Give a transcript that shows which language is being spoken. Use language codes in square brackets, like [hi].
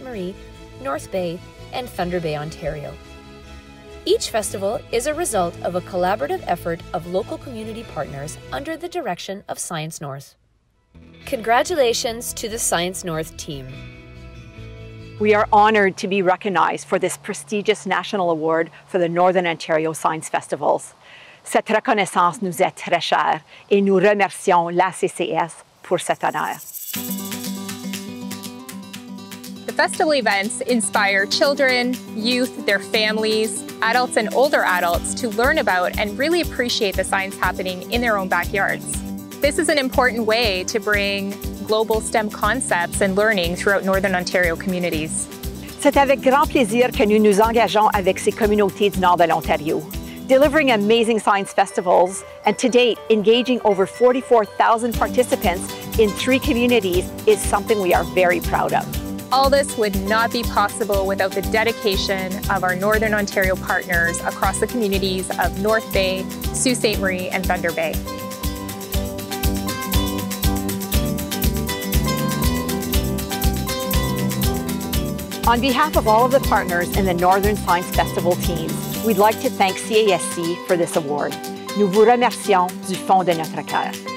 [en] Marie, North Bay, and Thunder Bay, Ontario. Each festival is a result of a collaborative effort of local community partners under the direction of Science North. Congratulations to the Science North team. We are honored to be recognized for this prestigious national award for the Northern Ontario Science Festivals. [fr] Cette reconnaissance nous est très chère et nous remercions la CCS pour cet honneur. [en] The festival events inspire children, youth, their families, adults and older adults to learn about and really appreciate the science happening in their own backyards. This is an important way to bring global STEM concepts and learning throughout Northern Ontario communities. [fr] C'est avec grand plaisir que nous nous engageons avec ces communautés du Nord de l'Ontario, [en] delivering amazing science festivals and to date engaging over 44,000 participants in three communities is something we are very proud of. All this would not be possible without the dedication of our Northern Ontario partners across the communities of North Bay, Sault Ste. Marie, and Thunder Bay. On behalf of all of the partners in the Northern Science Festival team, we'd like to thank CASC for this award. [fr] Nous vous remercions du fond de notre cœur.